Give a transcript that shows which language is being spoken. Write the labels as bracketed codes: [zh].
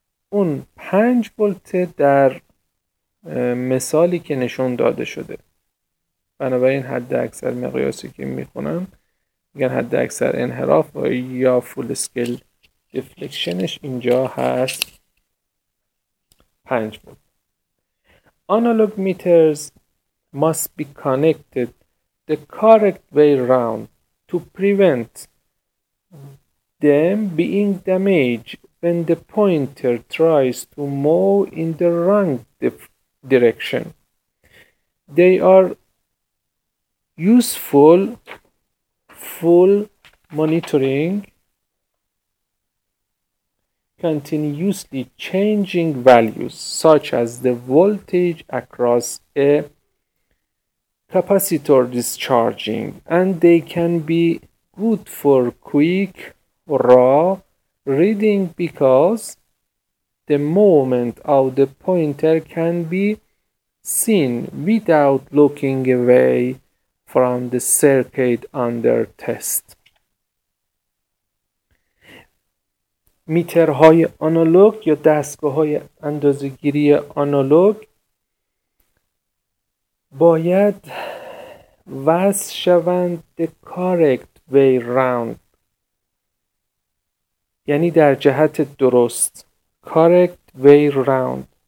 [fa] اون 5 ولت در مثالی که نشون داده شده، بنابراین حد اکثر مقیاسی که میخونم میگن حد اکثر انحراف یا فول اسکیل دیفلکشنش اینجا هست 5 ولت. [en] Analogue meters must be connected the correct way round to prevent them being damaged when the pointer tries to move in the wrong direction. They are useful for monitoring continuously changing values such as the voltage across a capacitor discharging, and they can be good for quick raw reading because the movement of the pointer can be seen without looking away from the circuit under test. [fa] میترهای آنالوگ یا دستگاه‌های اندازه‌گیری آنالوگ باید وصل شوند [en] the correct way round، [fa] یعنی در جهت درست، [en] correct way round.